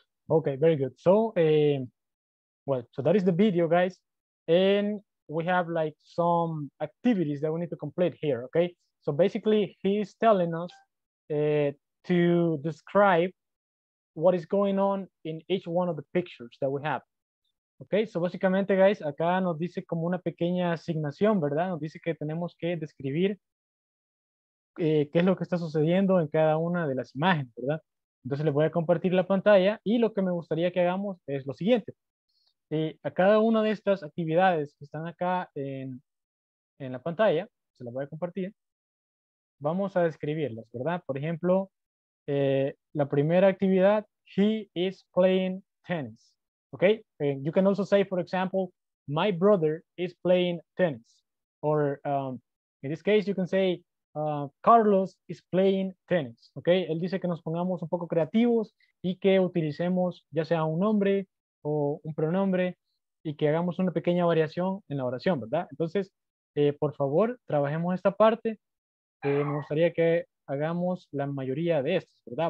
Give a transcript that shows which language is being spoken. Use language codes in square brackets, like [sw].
[en] Okay, very good. So that is the video, guys. And we have like some activities that we need to complete here, okay? So basically he's telling us to describe what is going on in each one of the pictures that we have. [es] Okay, so básicamente, guys, acá nos dice como una pequeña asignación, ¿verdad? Nos dice que tenemos que describir qué es lo que está sucediendo en cada una de las imágenes, ¿verdad? Entonces les voy a compartir la pantalla y lo que me gustaría que hagamos es lo siguiente. A cada una de estas actividades que están acá en la pantalla, se las voy a compartir, vamos a describirlas, ¿verdad? Por ejemplo, la primera actividad, [en] he is playing tennis. Okay, and you can also say, for example, my brother is playing tennis. Or in this case, you can say, Carlos is playing tennis. [es] Okay, él dice que nos pongamos un poco creativos y que utilicemos ya sea un nombre o un pronombre y que hagamos una pequeña variación en la oración, ¿verdad? Entonces, por favor, trabajemos esta parte. Me gustaría que hagamos la mayoría de estas, ¿verdad?